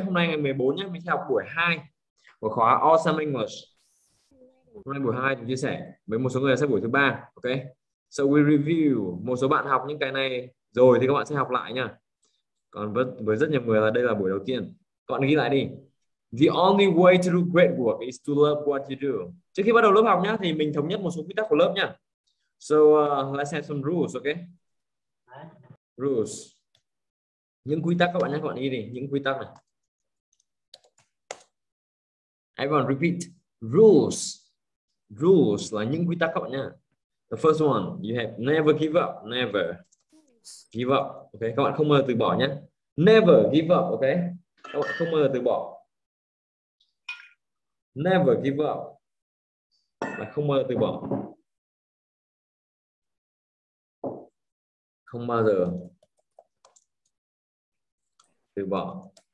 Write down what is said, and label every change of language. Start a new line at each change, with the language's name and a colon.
Vietnamese: Hôm nay ngày 14 nhé, mình sẽ học buổi 2 của khóa Awesome English. Hôm nay buổi 2 mình chia sẻ với một số người sẽ buổi thứ 3, okay?
English: So we review,
Vietnamese: một số bạn học những cái này rồi thì các bạn sẽ học lại nha. Còn với rất nhiều người là đây là buổi đầu tiên. Các bạn ghi lại đi.
English: The only way to do great work is to love what you do.
Vietnamese: Trước khi bắt đầu lớp học nhá, thì mình thống nhất một số quy tắc của lớp nhá.
English: So let's have some rules, okay? Rules.
Vietnamese: Những quy tắc các bạn nhé, các bạn ghi đi, những quy tắc này.
English: Everyone repeat. Rules.
Vietnamese: Rules là những quy tắc các bạn nhé.
English: The first one, you have never give up. Never give up.
Vietnamese: Okay, các bạn không bao giờ từ bỏ nhé.
English: Never give up, okay.
Vietnamese: Các bạn không bao giờ từ bỏ.
English: Never give up.
Vietnamese: Là không bao giờ từ bỏ. Không bao giờ từ bỏ.